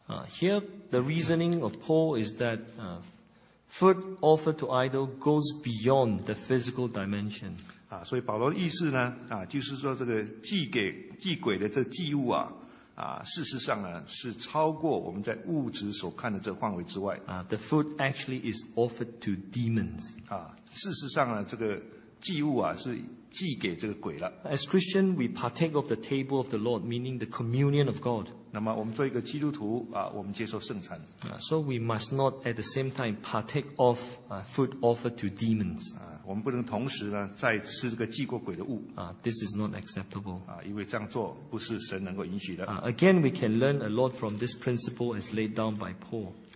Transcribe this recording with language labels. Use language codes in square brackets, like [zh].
[en] Here the reasoning of Paul is that food offered to idol goes beyond the physical dimension. [zh] 所以保罗的意思呢，就是说这个祭给祭鬼的这祭物，事实上呢是超过我们在物质所看的这范围之外。 [en] The food actually is offered to demons. [zh] 事实上呢，这个祭物是祭给这个鬼了。 [en] As Christian, we partake of the table of the Lord, meaning the communion of God. [zh] 那么我们做一个基督徒，我们接受圣餐。 [en] So we must not at the same time partake of food offered to demons. [zh] 我们不能同时呢再吃这个祭过鬼的物。 [en] This is not acceptable. [zh] 因为这样做不是神能够允许的。 [en] Again, we can learn a lot from this principle as laid down by Paul.